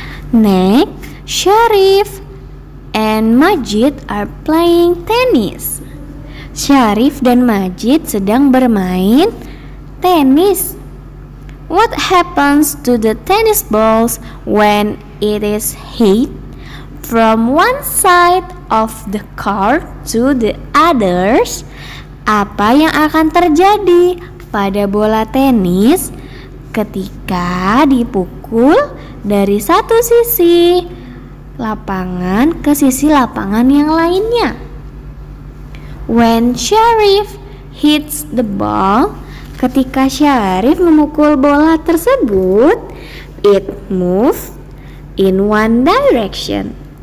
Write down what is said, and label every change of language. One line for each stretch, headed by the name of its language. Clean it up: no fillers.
English: Next, Sharif and Majid are playing tennis.
Indonesian: Sharif dan Majid sedang bermain tenis.
English: What happens to the tennis balls when it is hit from one side of the court to the others
Indonesian: apa yang akan terjadi pada bola tenis ketika dipukul dari satu sisi lapangan ke sisi lapangan yang lainnya.
English: When Sheriff hits the ball,
Indonesian: ketika Sheriff memukul bola tersebut,
English: it moves in one direction.